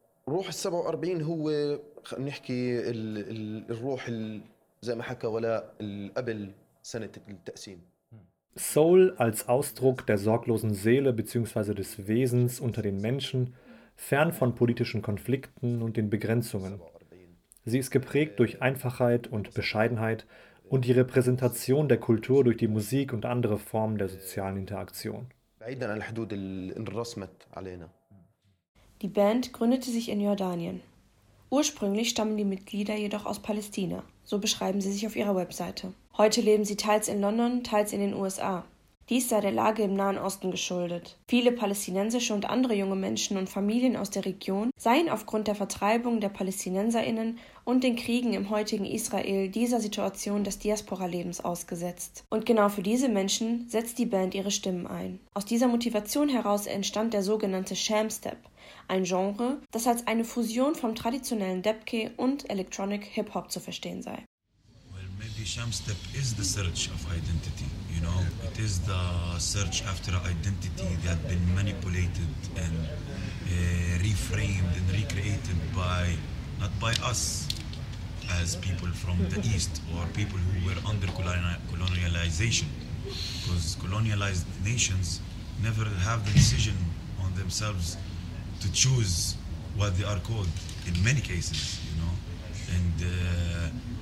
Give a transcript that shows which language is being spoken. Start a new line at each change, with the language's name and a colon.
Arabic: روح 47 هو خلينا نحكي الروح زي ما حكى ولا قبل سنة التقسيم.
German: Soul als Ausdruck der sorglosen Seele bzw. des Wesens unter den Menschen, fern von politischen Konflikten und den Begrenzungen. Sie ist geprägt durch Einfachheit und Bescheidenheit und die Repräsentation der Kultur durch die Musik und andere Formen der sozialen Interaktion. Die Band gründete sich in Jordanien. Ursprünglich stammen die Mitglieder jedoch aus Palästina. So beschreiben sie sich auf ihrer Webseite. Heute leben sie teils in London, teils in den USA. Dies sei der Lage im Nahen Osten geschuldet. Viele palästinensische und andere junge Menschen und Familien aus der Region seien aufgrund der Vertreibung der PalästinenserInnen und den Kriegen im heutigen Israel dieser Situation des Diaspora-Lebens ausgesetzt. Und genau für diese Menschen setzt die Band ihre Stimmen ein. Aus dieser Motivation heraus entstand der sogenannte Shamstep, ein Genre, das als eine Fusion vom traditionellen Debke und Electronic Hip-Hop zu verstehen sei.
English: The Shamstep is the search of identity, you know, it is the search after identity that had been manipulated and reframed and recreated by, not by us as people from the East or people who were under colonialization, because colonialized nations never have the decision on themselves to choose what they are called in many cases, you know, and